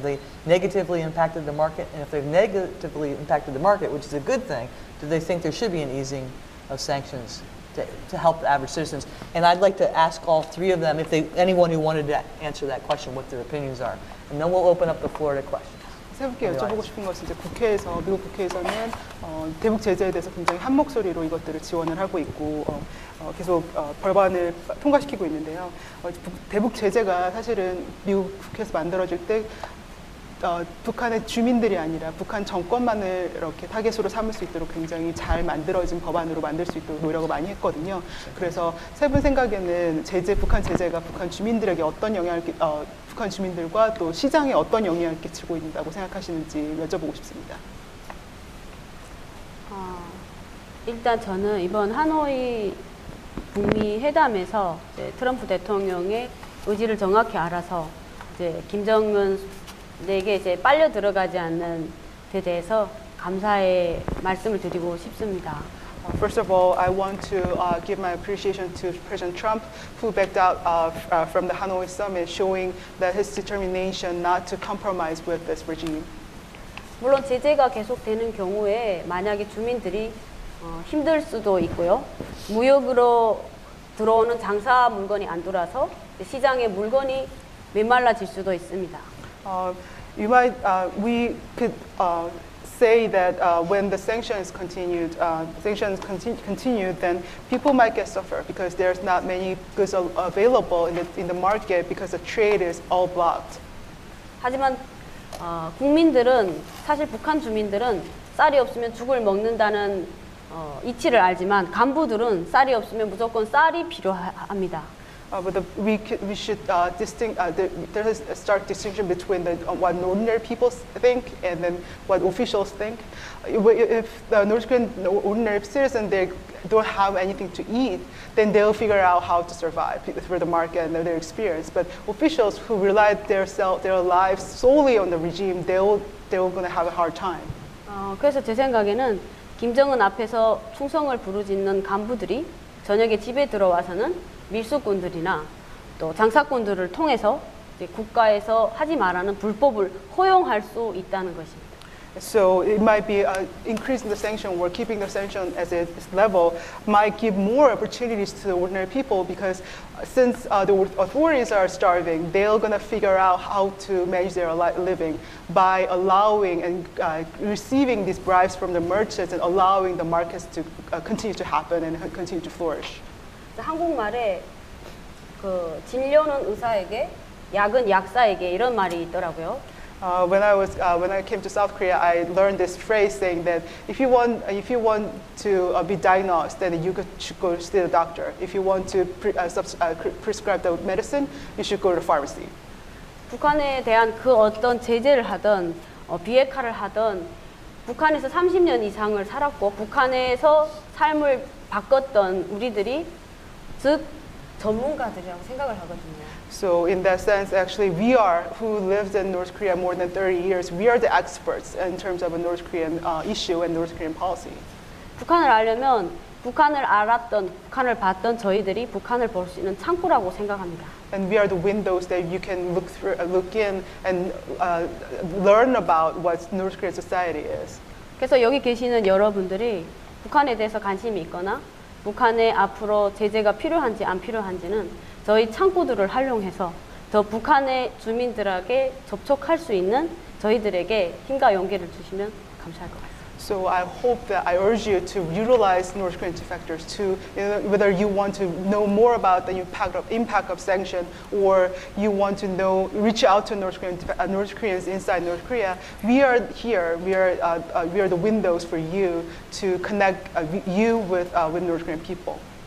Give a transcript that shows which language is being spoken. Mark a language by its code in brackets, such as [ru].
[en] Have they negatively impacted the market? And if they've negatively impacted the market, which is a good thing, do they think there should be an easing of sanctions to help the average citizens? And I'd like to ask all three of them, anyone who wanted to answer that question, what their opinions are. And then we'll open up the floor to questions. [ko] 세 분께 여쭤보고 싶은 것은 이제 국회에서 미국 국회에서는 대북 제재에 대해서 굉장히 한 목소리로 이것들을 지원을 하고 있고 계속 법안을 통과시키고 있는데요. 대북 제재가 사실은 미국 국회에서 만들어질 때 북한의 주민들이 아니라 북한 정권만을 이렇게 타겟으로 삼을 수 있도록 굉장히 잘 만들어진 법안으로 만들 수 있도록 노력을 많이 했거든요. 그래서 세 분 생각에는 북한 제재가 북한 주민들에게 어떤 영향을 북한 주민들과 또 시장에 어떤 영향을 끼치고 있다고 생각하시는지 여쭤보고 싶습니다. 일단 저는 이번 하노이 북미 회담에서 이제 트럼프 대통령의 의지를 정확히 알아서 이제 김정은 내게 이제 빨려 들어가지 않는 데 대해서 감사의 말씀을 드리고 싶습니다. [en] First of all, I want to give my appreciation to President Trump, who backed out from the Hanoi summit, showing that his determination not to compromise with this regime. [ko] 물론 제재가 계속되는 경우에 만약에 주민들이 힘들 수도 있고요. 무역으로 들어오는 장사 물건이 안 돌아서 시장에 물건이 메말라질 수도 있습니다. [en] Say that when the sanctions continue, then people might get suffer because there's not many goods available in the market because the trade is all blocked. [ko] 하지만 국민들은 사실 북한 주민들은 쌀이 없으면 죽을 먹는다는 이치를 알지만 간부들은 쌀이 없으면 무조건 쌀이 필요합니다. [en] There is a stark distinction between what ordinary people think and then what officials think. If the North Korean ordinary citizen, they don't have anything to eat, then they'll figure out how to survive through the market and their experience. But officials who rely their lives solely on the regime, they're going to have a hard time. [ko] 그래서 제 생각에는 김정은 앞에서 충성을 부르짖는 간부들이 저녁에 집에 들어와서는 밀수꾼들이나 또 장사꾼들을 통해서 이제 국가에서 하지 말라는 불법을 허용할 수 있다는 것입니다. [en] So it might be increasing the sanction or keeping the sanction as its level might give more opportunities to ordinary people because since the authorities are starving, they're going to figure out how to manage their living by allowing and receiving these bribes from the merchants and allowing the markets to continue to happen and continue to flourish. [ko] 한국말에 그 진료는 의사에게, 약은 약사에게 이런 말이 있더라고요. [en] When I came to South Korea, I learned this phrase saying that if you want to be diagnosed, then you should go to the doctor. If you want to prescribe the medicine, you should go to the pharmacy. [ko] 북한에 대한 그 어떤 제재를 하든 비핵화를 하든 북한에서 30년 이상을 살았고 북한에서 삶을 바꿨던 우리들이 즉 전문가들이라고 생각을 하거든요. [en] So in that sense, actually, we are who lived in North Korea more than 30 years. We are the experts in terms of a North Korean issue and North Korean policy. [ko] 북한을 알려면 북한을 알았던, 북한을 봤던 저희들이 북한을 볼 수 있는 창구라고 생각합니다. [en] And we are the windows that you can look through, look in, and learn about what North Korean society is. [ko] 그래서 여기 계시는 여러분들이 북한에 대해서 관심이 있거나 북한에 앞으로 제재가 필요한지 안 필요한지는 저희 창구들을 활용해서 더 북한의 주민들에게 접촉할 수 있는 저희들에게 힘과 용기를 주시면 감사할 것 같습니다. [en] So I hope that I urge you to utilize North Korean factors to, whether you want to know more about the impact of sanction or you want to know, reach out to North Korean, North Koreans inside North Korea, we are here, we are the windows for you to connect you with North Korean people.